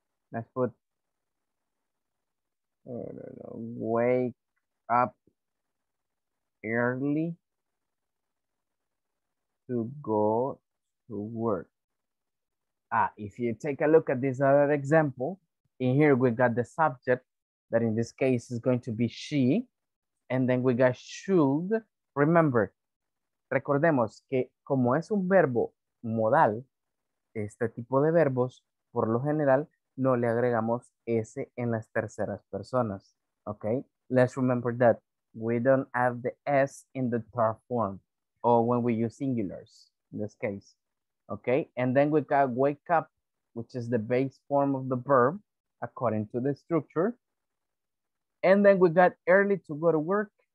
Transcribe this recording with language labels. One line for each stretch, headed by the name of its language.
English: Let's put, wake up early to go to work. If you take a look at this other example, in here we got the subject that in this case is going to be she, and then we got should. Remember,
Spanish: recordemos que como es un verbo modal, este tipo de verbos, por lo general, no le agregamos S en las terceras personas, okay?
English: Let's remember that we don't have the S in the third form or when we use singulars in this case. Okay, and then we got wake up, which is the base form of the verb according to the structure. And then we got early to go to work.